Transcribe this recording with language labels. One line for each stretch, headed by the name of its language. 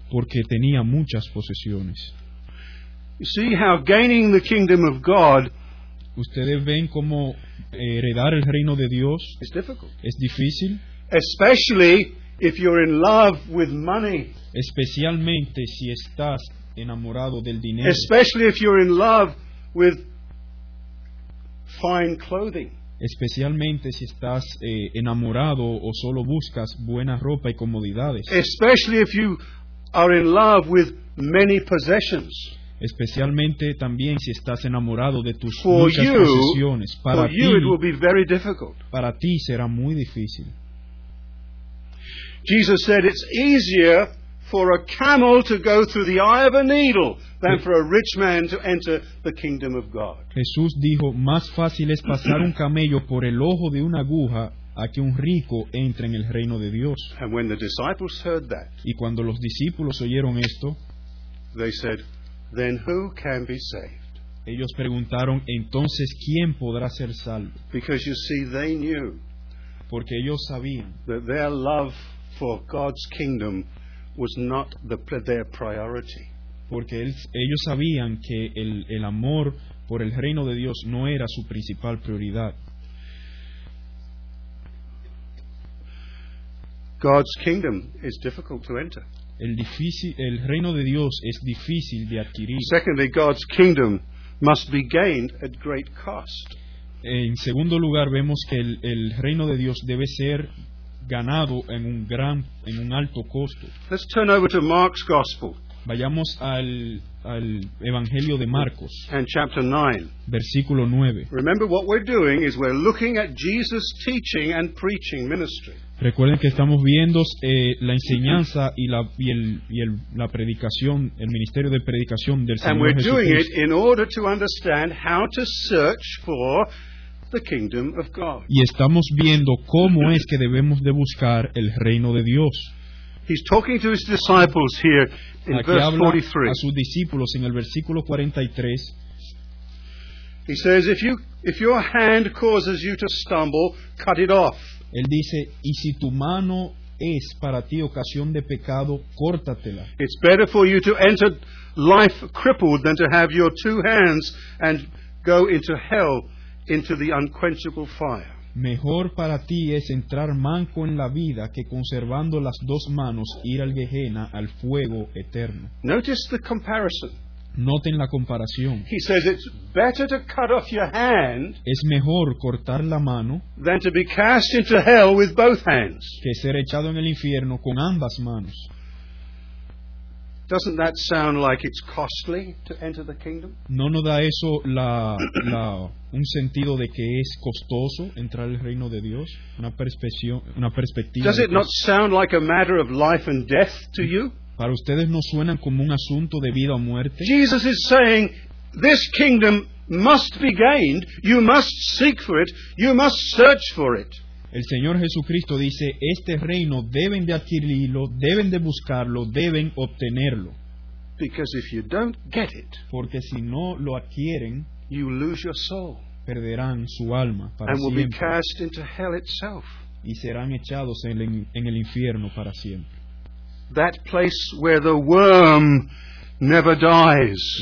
Spanish: Porque tenía muchas posesiones.
English: You see how gaining the kingdom of God.
Spanish: Ustedes ven cómo heredar el reino de Dios
English: is difficult.
Spanish: Es difícil.
English: Especially if you're in love with money.
Spanish: Especialmente si estás enamorado del dinero.
English: Especially if you're in love with fine clothing.
Spanish: Especialmente si estás enamorado o solo buscas buena ropa y comodidades.
English: Especially if you are in love with many possessions.
Spanish: Especialmente también si estás enamorado de tus muchas posesiones. Para ti,
English: it will be very difficult.
Spanish: Para ti será muy difícil.
English: Jesus said it's easier for a camel to go through the eye of a needle than for a rich man to enter the kingdom of God.
Spanish: Jesús dijo, más fácil es pasar un camello por el ojo de una aguja a que un rico entre en el reino de Dios.
English: And when the disciples heard that,
Spanish: y cuando los discípulos oyeron esto,
English: they said, then who can be saved?
Spanish: Ellos preguntaron, entonces, ¿quién podrá ser salvo?
English: Because you see, they knew,
Spanish: porque ellos sabían,
English: that their love for God's kingdom was not their priority.
Spanish: Porque ellos sabían que el amor por el reino de Dios no era su principal prioridad.
English: God's kingdom is difficult to enter.
Spanish: El reino de Dios es difícil de adquirir.
English: Secondly, God's kingdom must be gained at great cost.
Spanish: En segundo lugar, vemos que el reino de Dios debe ser ganado en un alto costo.
English: Let's turn over to Mark's Gospel.
Spanish: Vayamos al Evangelio de Marcos.
English: And chapter 9.
Spanish: Versículo 9.
English: Remember, what we're doing is we're looking at Jesus' teaching and preaching ministry.
Spanish: Recuerden que estamos viendo la enseñanza y la predicación, el ministerio de predicación del Señor.
English: And we're
Spanish: Jesucristo.
English: Doing it in order to understand how to search for the kingdom of God.
Spanish: Y estamos viendo cómo es que debemos de buscar el reino de Dios.
English: He's talking to his disciples here in
Spanish: aquí
English: verse 43.
Spanish: A sus discípulos en el versículo 43.
English: He says, if your hand causes you to stumble, cut it off.
Spanish: Él dice, y si tu mano es para ti ocasión de pecado, córtatela.
English: It's better for you to enter life crippled than to have your two hands and go into hell, into the unquenchable fire.
Spanish: Mejor para ti es entrar manco en la vida que conservando las dos manos ir al Gehenna, al fuego eterno.
English: Notice the comparison.
Spanish: Noten la comparación.
English: He says it's better to cut off your hand.
Spanish: Es mejor cortar la mano.
English: Than to be cast into hell with both hands.
Spanish: Que ser echado en el infierno con ambas manos.
English: Doesn't that sound like it's costly to enter the kingdom?
Spanish: ¿No nos da eso un sentido de que es costoso entrar al reino de Dios? Una perspectiva.
English: Does it not sound like a matter of life and death to you?
Spanish: ¿Para ustedes no suena como un asunto de vida o muerte?
English: Jesus is saying this kingdom must be gained. You must seek for it. You must search for it.
Spanish: El Señor Jesucristo dice, este reino deben de adquirirlo, deben de buscarlo, deben obtenerlo.
English: Because if you don't get it,
Spanish: porque si no lo adquieren,
English: you lose your soul,
Spanish: perderán su alma para
English: and
Spanish: siempre.
English: Will be cast into hell itself.
Spanish: Y serán echados en el infierno para siempre.
English: That place where the worm never dies.